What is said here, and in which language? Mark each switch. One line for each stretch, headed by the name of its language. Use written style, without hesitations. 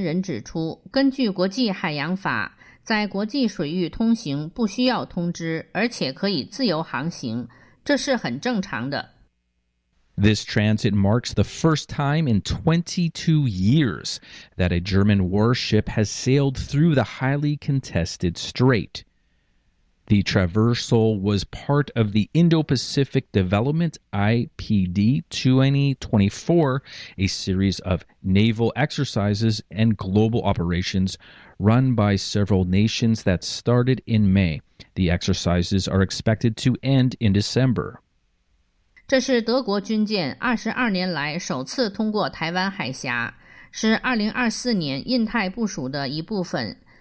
Chinese: 德国外交部发言人指出，根据国际海洋法， 在国际水域通行不需要通知，而且可以自由航行，这是很正常的。
English: This transit marks the first time in 22 years that a German warship has sailed through the highly contested strait. The traversal was part of the Indo-Pacific Development IPD 2024, a series of naval exercises and global operations run by several nations that started in May. The exercises are expected to end in December.
Chinese: 这是德国军舰22年来首次通过台湾海峡，是2024年印太部署的一部分。